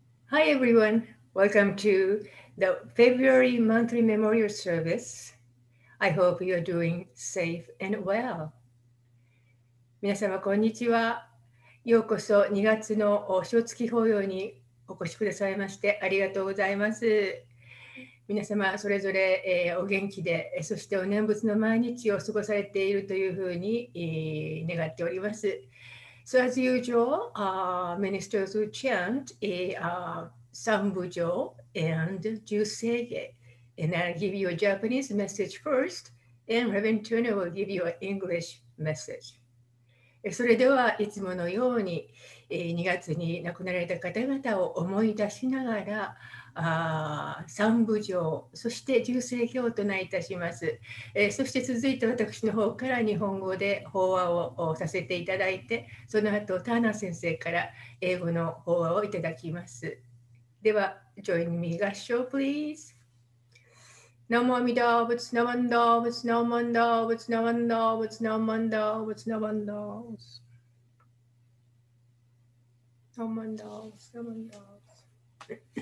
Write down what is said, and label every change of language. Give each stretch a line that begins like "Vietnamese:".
English: Hi everyone, welcome to the February monthly memorial service. I hope you're doing safe and well.
Japanese: 皆様こんにちは。ようこそ2月の初月法要にお越しくださいましてありがとうございます。皆様それぞれ、お元気で、そしてお念仏の毎日を過ごされているというふうに、願っております。
English: So as usual, ministers will chant a sambujo and jusege. And I'll give you a Japanese message first, and Reverend Turner will give you an English message.
Japanese: それではいつものように、2月に亡くなられた方々を思い出しながら、三部上そして十聖経を唱えいたします。そして続いて私の方から日本語で法話をさせていただいて、その後ターナー先生から英語の法話をいただきます。
English: では join me 合唱 please。
Japanese: ナモアミダブツナマンダブツナマンダブツナマンダブツナマンダブツナマンダブツナマンダブツナマンダブツナマンダブツ。